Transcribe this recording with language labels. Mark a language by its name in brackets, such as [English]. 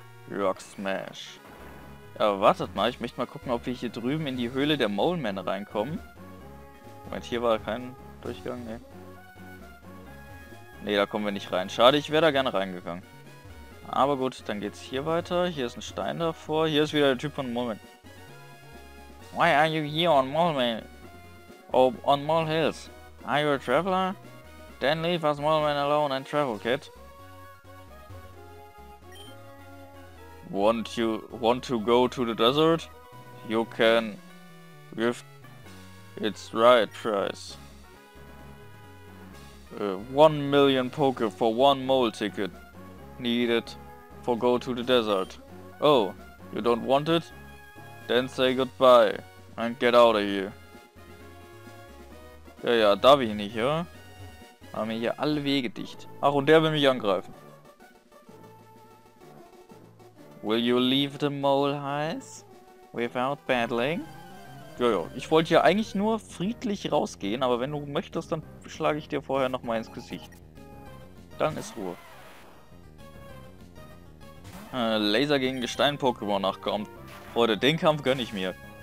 [German] Rock Smash. Aber wartet mal, ich möchte mal gucken, ob wir hier drüben in die Höhle der Mole Men reinkommen. Moment, hier war kein Durchgang, ne? Ne, da kommen wir nicht rein. Schade, ich wäre da gerne reingegangen. Aber gut, dann geht's hier weiter. Hier ist ein Stein davor. Hier ist wieder der Typ von Mole Men. [English] Why are you here on Mole Men? Oh, on Mole Hills. Are you a traveler? Then leave us Mole Men alone and travel, kid. Want to go to the desert? You can give its right price. 1 million poke for one mole ticket needed for go to the desert. Oh, you don't want it? Then say goodbye and get out of here. [German] Ja, darf ich nicht, ja? Haben wir hier alle Wege dicht. Ach, und der will mich angreifen. [English] Will you leave the mole house without battling? [German] Jojo, ich wollte ja eigentlich nur friedlich rausgehen, aber wenn du möchtest, dann schlage ich dir vorher noch mal ins Gesicht. Dann ist Ruhe. Laser gegen Gestein-Pokémon nachkommt. Leute, den Kampf gönne ich mir.